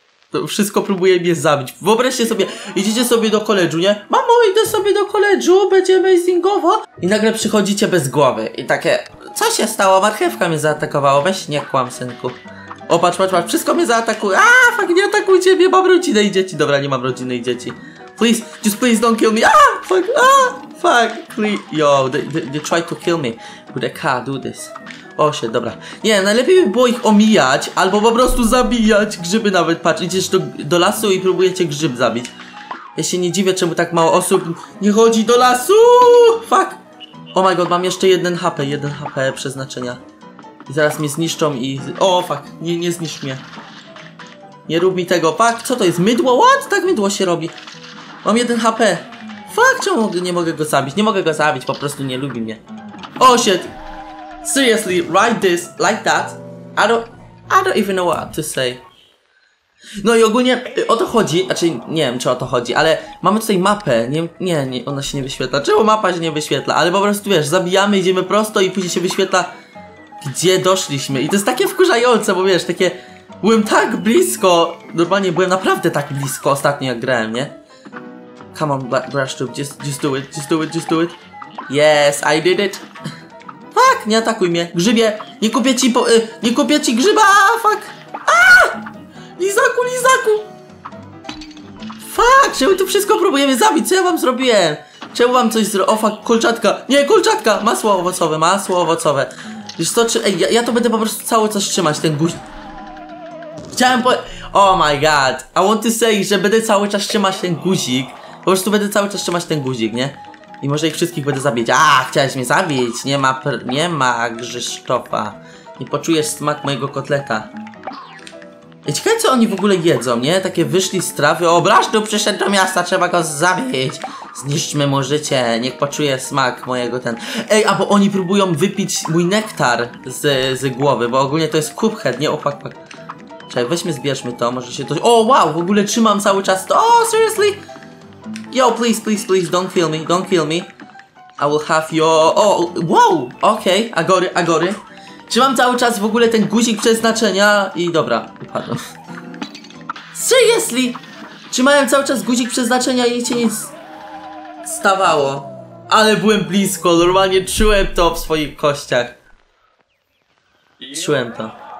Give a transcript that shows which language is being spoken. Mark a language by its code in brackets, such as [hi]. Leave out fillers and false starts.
[pl] To wszystko próbuje mnie zabić. Wyobraźcie sobie, idziecie sobie do koledżu, nie? Mamo, idę sobie do koledżu, będzie amazingowo. I nagle przychodzicie bez głowy. I takie, co się stało? Marchewka mnie zaatakowała. Weź, nie kłam, synku. O, patrz, wszystko mnie zaatakuje. A, fuck, nie atakuj ciebie, mam rodzinę i dzieci. Dobra, nie mam rodziny i dzieci. [en] Please, just please don't kill me. Ah, fuck, please. Yo, they tried to kill me, but I can't do this. [pl] O, się, dobra. Nie, najlepiej by było ich omijać, albo po prostu zabijać grzyby nawet. Patrz, idziesz do lasu i próbujecie grzyb zabić. Ja się nie dziwię, czemu tak mało osób nie chodzi do lasu. Fuck. [en] Oh my god, [pl] mam jeszcze jeden HP przeznaczenia. I zaraz mnie zniszczą i... O, fuck, nie zniszcz mnie. Nie rób mi tego. Fuck, co to jest? Mydło? What? Tak mydło się robi. Mam jeden HP. Fuck, czemu nie mogę go zabić? Nie mogę go zabić, po prostu nie lubi mnie. [en] Oh shit. Seriously, write this like that. I don't even know what to say. [pl] No i ogólnie o to chodzi, znaczy nie wiem czy o to chodzi, ale mamy tutaj mapę, nie, ona się nie wyświetla. Czemu mapa się nie wyświetla? Ale po prostu wiesz, zabijamy, idziemy prosto i później się wyświetla, gdzie doszliśmy. I to jest takie wkurzające, bo wiesz, takie, byłem tak blisko, normalnie byłem naprawdę tak blisko ostatnio jak grałem, nie? [en] Come on, Brash Tube, just do it. Yes, I did it. Fuck, [pl] nie atakuj mnie. Grzybie, nie kupię ci nie kupię ci grzyba, fuck. Lizaku. Fuck, czemu tu wszystko próbujemy zabić? Co ja wam zrobiłem? Czemu wam coś zrobić? O, fuck, kolczatka. Nie, kolczatka, masło owocowe. Wiesz co, czy... ja to będę po prostu cały czas trzymać, ten guzik. Chciałem po... [en] Oh my god, I want to say, [pl] że będę cały czas trzymać ten guzik. Po prostu będę cały czas trzymać ten guzik, nie? I może ich wszystkich będę zabić. A, chciałeś mnie zabić? Nie ma Krzysztofa. Nie poczujesz smak mojego kotleta. Ciekawe, co oni w ogóle jedzą, nie? Takie wyszli z trawy, o, Brasztu przyszedł do miasta, trzeba go zabić. Zniszczmy mu życie, niech poczuje smak mojego ten... Ej, a bo oni próbują wypić mój nektar z głowy, bo ogólnie to jest Cuphead, nie? O, pak, pak. Czekaj, weźmy, zbierzmy to, może się to... O, wow, w ogóle trzymam cały czas to... [en] O, seriously? Yo, please, please, please, don't kill me, don't kill me. I will have your... O, wow, okej, okay. Agory, agory. [pl] Trzymam cały czas w ogóle ten guzik przeznaczenia i dobra, upadłem. Seriously? Trzymałem cały czas guzik przeznaczenia i się nic stawało. Ale byłem blisko, normalnie czułem to w swoich kościach. Czułem to.